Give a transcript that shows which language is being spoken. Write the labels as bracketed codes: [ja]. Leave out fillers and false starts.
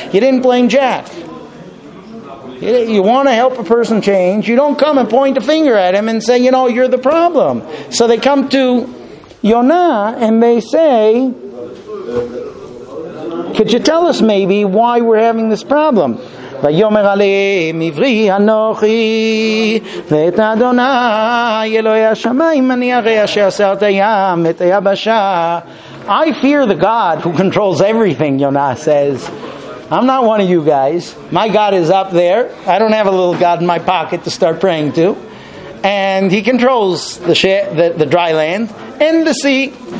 [en] You didn't blame Jeff. You want to help a person change. You don't come and point a finger at him and say, you know, you're the problem. So they come to Yonah and they say, could you tell us maybe why we're having this problem? [he] ויאמר עליהם עברי אנוכי ואת אדוני אלוהי השמיים אני הרי אשר עשה את הים את היבשה. [en] I fear the God who controls everything, Yonah says. I'm not one of you guys. My God is up there. I don't have a little God in my pocket to start praying to. And he controls the dry land and the sea.